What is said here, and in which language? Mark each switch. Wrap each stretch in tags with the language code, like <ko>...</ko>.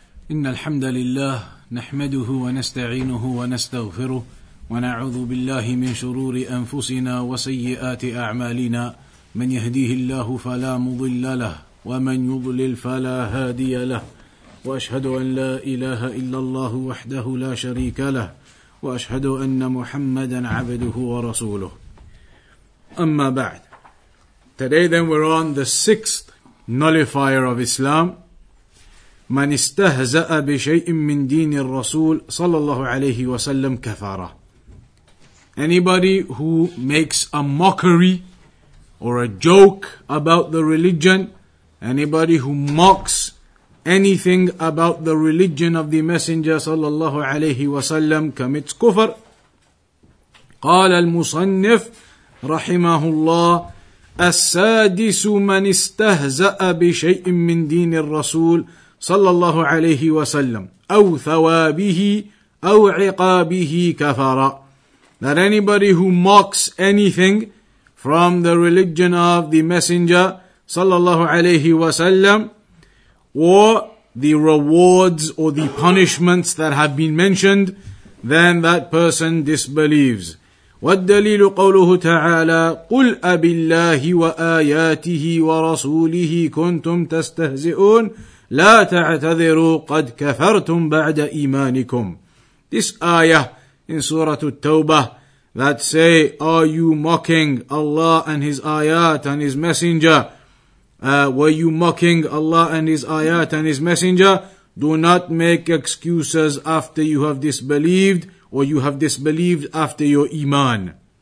<ar>إن الحمد لله نحمده ونستعينه ونستغفره ونعوذ بالله من شرور أنفسنا وسيئات أعمالنا من يهديه الله فلا مضل له ومن يضلل فلا هادي له وأشهد أن لا إله إلا الله وحده لا شريك له وأشهد أن محمدا عبده ورسوله أما بعد.</ar> <en>Today then we're on the sixth nullifier of Islam.</en> <ar>من استهزأ بشيء من دين الرسول صلى الله عليه وسلم كفارة.</ar> <en>Anybody who makes a mockery or a joke about the religion, anybody who mocks anything about the religion of the Messenger</en> <ar>صلى الله عليه وسلم</ar> <en>commits كفر.</en> <ar>قال المصنف رحمه الله السادس من استهزأ بشيء من دين الرسول صلى الله عليه وسلم أو ثوابه أو عقابه كفارة.</ar> <en>That anybody who mocks anything from the religion of the Messenger</en> <ar>صلى الله عليه وسلم</ar> <en>or the rewards or the punishments that have been mentioned, then that person disbelieves.</en> <ar>والدليل قوله تعالى قل أبالله وآياته ورسوله كنتم تستهزئون لا تعتذروا قد كفرتم بعد إيمانكم.</ar> <en>This ayah in Surah At-Tawbah that say, are you mocking Allah and His ayat and His messenger? Were you mocking Allah and His ayat and His messenger? Do not make excuses after you have disbelieved, or you have disbelieved after your iman.</en>